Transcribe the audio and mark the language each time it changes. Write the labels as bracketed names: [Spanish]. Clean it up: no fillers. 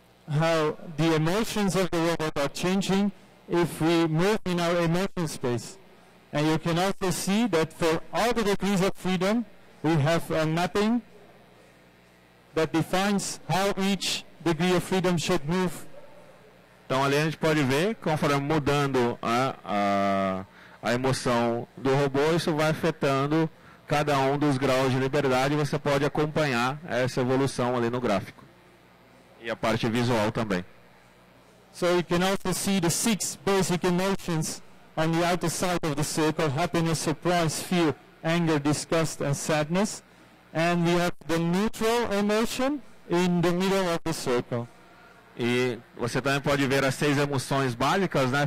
[English] how the emotions of the robot are changing if we move in our emotion space. And you can also see that for all the degrees of freedom, we have a mapping that defines how each degree of freedom should move. [Portuguese] Então ali a gente pode ver, conforme mudando a emoção do robô, isso vai afetando cada um dos graus de liberdade, você pode acompanhar essa evolução ali no gráfico. E a parte visual também. [English] So you can also see the six basic emotions on the outer side of the circle: happiness, surprise, fear, anger, disgust and sadness. And we have the neutral emotion in the middle of the circle. [Portuguese] E você também pode ver as seis emoções básicas, né?